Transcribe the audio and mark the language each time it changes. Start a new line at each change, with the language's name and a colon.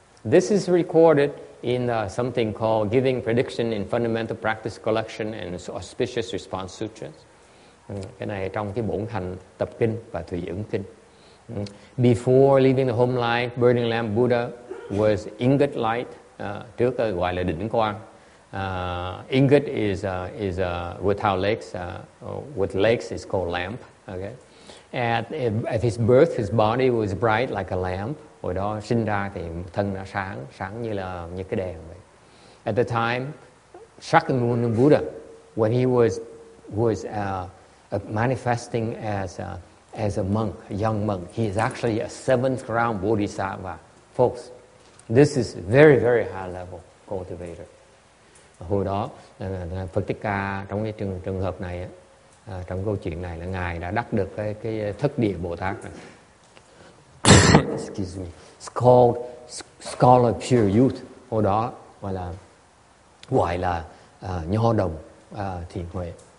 English: This is recorded in something called Giving Prediction in Fundamental Practice Collection and Auspicious Response Sutras.
Vietnamese: Cái này trong cái bổn hành tập kinh và thủy ứng kinh.
English: Before leaving the home life, burning lamp Buddha was ingot light,
Vietnamese: trước gọi là đỉnh quang.
English: Ingot is without legs, with legs is called lamp, okay? At his birth, his body was bright like a lamp.
Vietnamese: Hồi đó sinh ra thì thân đã sáng như cái đèn vậy.
English: At the time, Shakyamuni Buddha, when he was manifesting as a monk, a young monk, he is actually a seventh round bodhisattva. Folks, this is very, very high level cultivator.
Vietnamese: Hồi đó, Phật Thích Ca trong cái trường hợp này á, trong câu chuyện này là Ngài đã đắc được cái thất địa Bồ Tát.
English: Excuse me. It's called Scholar Pure Youth.
Vietnamese: Hồi đó gọi là Nho Đồng Thiền Huệ.